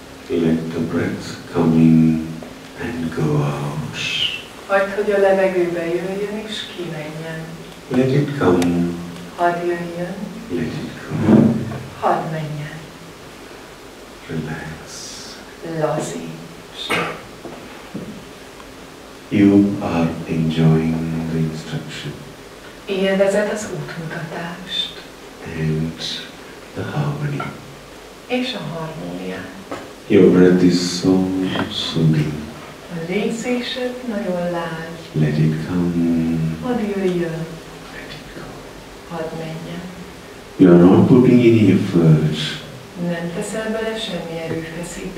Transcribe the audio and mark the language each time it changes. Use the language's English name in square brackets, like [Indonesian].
[English] Let the breath come in and go out. [Hungarian] Hagyd, hogy a levegőbe jöjjön és kimenjen. [English] Let it come. [Hungarian] Hadd jöjjön. [English] Let it come. [Hungarian] Hadd menjen. [English] Relax. [Hungarian] Lazíts. [English] You are enjoying the instruction. [Hungarian] Élvezed az útmutatást. [English] And the harmony. [Hungarian] És a harmóniát. [English] Your breath is so soothing. [Hungarian] A légzésed nagyon lágy. [English] Let it come. [Hungarian] Hadd jöjjön. [English] Let it come. [Hungarian] Hadd menjen. [English] You are not putting any effort. [Hungarian] Nem teszel bele semmi erőfeszítést.